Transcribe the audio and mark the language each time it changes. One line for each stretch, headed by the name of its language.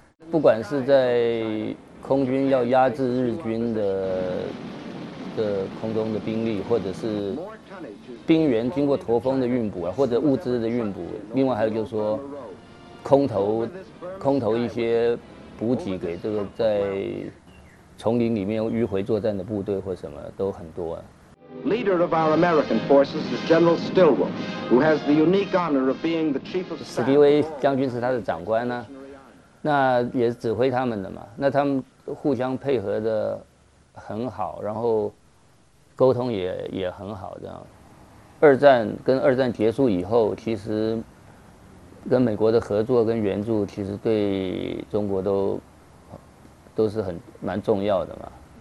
Chinese: 不管是在空军要压制日军的空中的兵力，或者是兵员经过驼峰的运补啊，或者物资的运补，另外还有就是说空投一些补给给这个在丛林里面迂回作战的部队或什么都很多啊。
English: Leader of our American forces is General Stilwell, who has the unique honor of being the chief of staff.
Chinese: 史迪威将军是他的长官呢、啊，那也是指挥他们的嘛。那他们互相配合的很好，然后沟通也很好这样。二战结束以后，其实跟美国的合作跟援助，其实对中国都是很蛮重要的嘛。